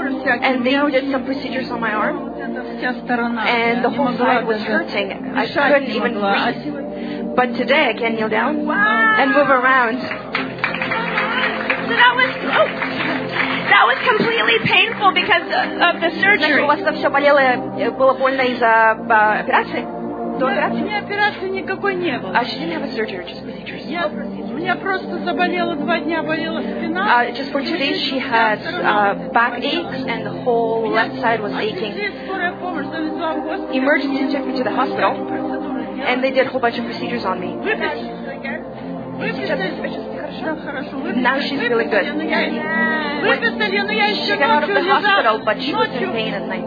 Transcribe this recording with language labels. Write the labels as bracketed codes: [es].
[en] and they did some procedures on my arm, and the whole side was hurting. I couldn't even breathe. But today I can kneel down and move around. So that was that was completely painful because of the surgery. [ru] У вас там все болело, было больно из-за операции? До операции? У меня операции никакой не было. [en] She didn't have a surgery, just procedures. [ru] У меня просто заболело два дня, болела спина. [en] Just for 2 days she had back aches and the whole left side was aching. Emergency took me to the hospital and they did a whole bunch of procedures on me. Now she's feeling good. She got out of the hospital, but she was in pain at night.